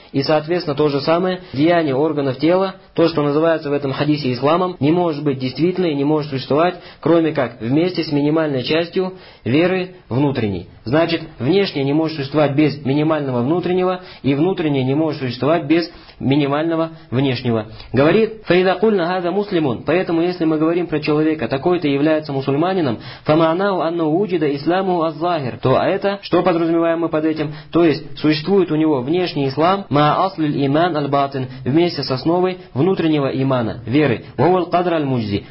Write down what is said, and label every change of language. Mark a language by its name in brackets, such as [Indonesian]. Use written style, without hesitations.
[Russian] И, соответственно, то же самое деяние органов тела, то, что называется в этом хадисе исламом, не может быть действительной и не может существовать, кроме как вместе с минимальной частью веры внутренней. Значит, внешнее не может существовать без минимального внутреннего, и внутреннее не может существовать без минимального внешнего. Говорит, [Arabic] فَإِذَا قُلْنَا هَذَا مُسْلِمٌ. [Russian] Поэтому, если мы говорим про человека, такой-то является мусульманином, [Arabic] فَمَعْنَاهُ أَنَّهُ وُجِدَ إِسْلَامُهُ الظَّاهِرُ. [Russian] То это, что подразумеваем мы под этим? То есть, существует у него внешний ислам, [Arabic] مَا أَصْلِ الْإِمَانَ الْبَاطِنِ, [Russian] вместе с основой внутреннего имана, веры. [Arabic] وَهُوَ الْقَدْرَ الْمُجْزِي.